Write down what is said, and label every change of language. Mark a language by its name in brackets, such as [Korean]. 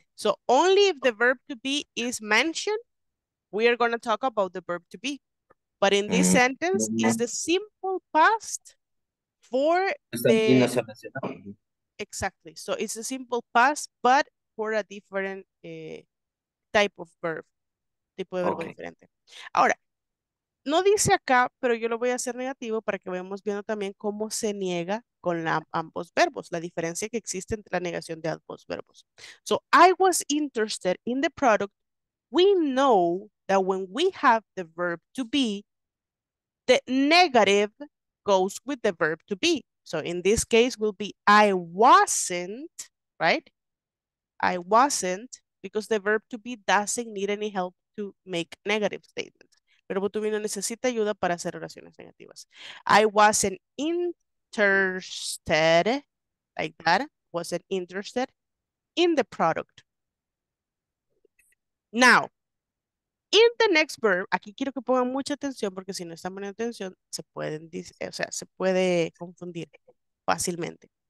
[English] So, only if the verb to be is mentioned, we are going to talk about the verb to be. But in this sentence, is the simple past for the... [Spanish] No se mencionó. [English] Exactly. So it's a simple past, but for a different type of verb. [Spanish] Tipo de verbo okay. Diferente. Ahora, no dice acá, pero yo lo voy a hacer negativo para que vayamos viendo también cómo se niega con ambos verbos, la diferencia que existe entre la negación de ambos verbos. [English] So I was interested in the product. We know that when we have the verb to be, the negative goes with the verb to be. So in this case will be I wasn't, right? I wasn't, because the verb to be doesn't need any help to make negative statements. [Spanish] Verbo to be no necesita ayuda para hacer oraciones negativas. [English] I wasn't interested, like that, wasn't interested in the product. Now, in the next verb, [Spanish] aquí quiero que pongan mucha atención porque si no están poniendo atención, se puede confundir fácilmente.